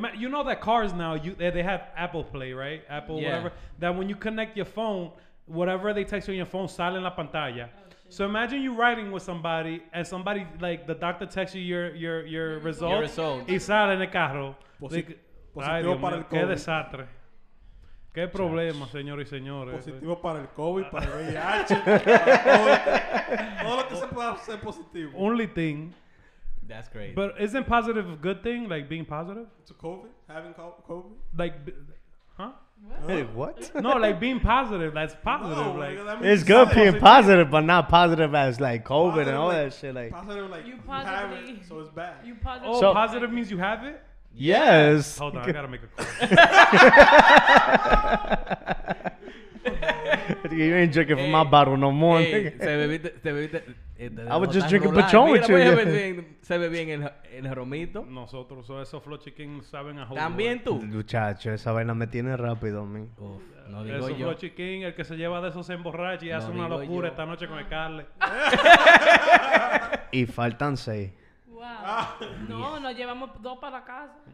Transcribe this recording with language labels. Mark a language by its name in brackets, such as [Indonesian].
[English] you know that cars now they have Apple Play, right? Apple whatever. That when you connect your phone, whatever they text you on your phone, [Spanish] sale en la pantalla. [English] So imagine you riding with somebody, and somebody, like, the doctor texts you your results. Your results. [Spanish] Y sale en el carro. Pues, like, positivo para el COVID. Qué desastre. Qué problema, señores y señores. Positivo para el COVID, para el VIH, para el COVID. Todo lo que se pueda hacer positivo. [English] Only thing. That's great. But isn't positive a good thing, like being positive? To COVID? Having COVID? Like, Hey, what? No, like being positive. That's positive. Like, it's good being positive, but not positive as like COVID positive, and all like, that shit. Like, positive, like you have it, so it's bad. You positive. Oh, so, positive means you have it? Yes. Hold on, I gotta make a call. You ain't drinking from my bottle no more. [Spanish] Hey, se bebiste, [English] I was just drinking Patron with you. [Spanish] Se bebí en el romito. Nosotros, esos flow chicken saben a jugo. También tú. Muchacho, esa vaina me tiene rápido, man. No digo yo. Esos flow chicken, el que se lleva de esos se emborracha y hace una locura esta noche con el Carle. Y faltan seis. Wow. Ah, no, yeah. Nos llevamos dos para casa.